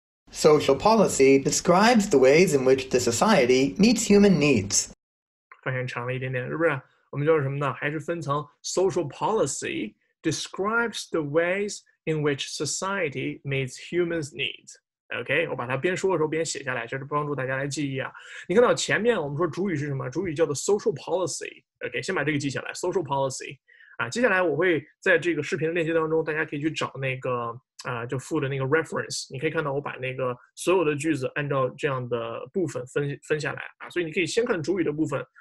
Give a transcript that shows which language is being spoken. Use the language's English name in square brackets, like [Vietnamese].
[English] Social policy describes the ways in which the society meets human needs [Chinese] 发现长了一点点是不是我们叫什么呢？还是分层 [English] ？Social policy describes the ways in which society meets humans' needs. [Chinese] OK， 我把它边说的时候边写下来，就是帮助大家来记忆啊。你看到前面我们说主语是什么？主语叫做 social policy。OK， 先把这个记下来 ，social policy。啊，接下来我会在这个视频的链接当中，大家可以去找那个啊、就附的那个 reference。你可以看到我把那个所有的句子按照这样的部分分下来啊，所以你可以先看主语的部分。